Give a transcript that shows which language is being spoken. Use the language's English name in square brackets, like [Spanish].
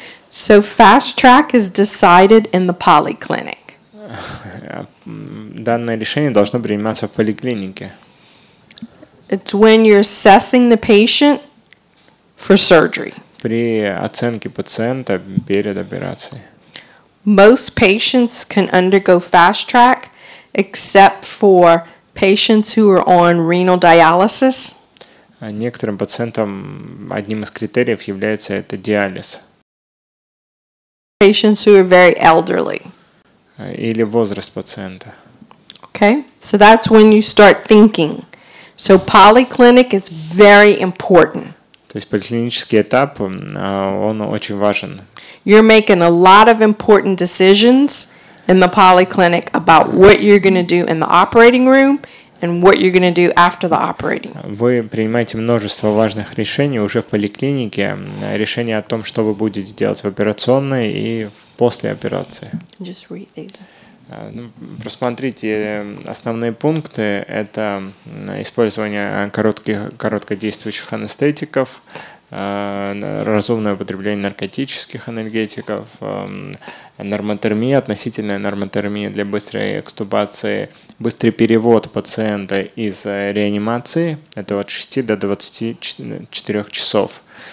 [English] So fast track is decided in the polyclinic. [Russian] Данное решение должно приниматься в поликлинике. [English] It's when you're assessing the patient for surgery. [Russian] При оценке пациента перед операцией. [English] Most patients can undergo fast track, except for patients who are on renal dialysis. [Russian] Некоторым пациентам одним из критериев является это диализ. [English] Patients who are very elderly. [Russian] Или возраст пациента. [English] Okay, so that's when you start thinking. So polyclinic is very important. [Russian] То есть поликлинический этап, он очень важен. [English] You're making a lot of important decisions in the polyclinic about what you're going to do in the operating room and what you're going to do after the operating. [Russian] Вы принимаете множество важных решений уже в поликлинике, решение о том, что вы будете делать в операционной и после операции. [English] Just read these. [Russian] Просмотрите основные пункты. Это использование короткодействующих анестетиков, разумное употребление наркотических анальгетиков, нормотермия, относительная нормотермия для быстрой экстубации, быстрый перевод пациента из реанимации, это от 6 до 24 часов.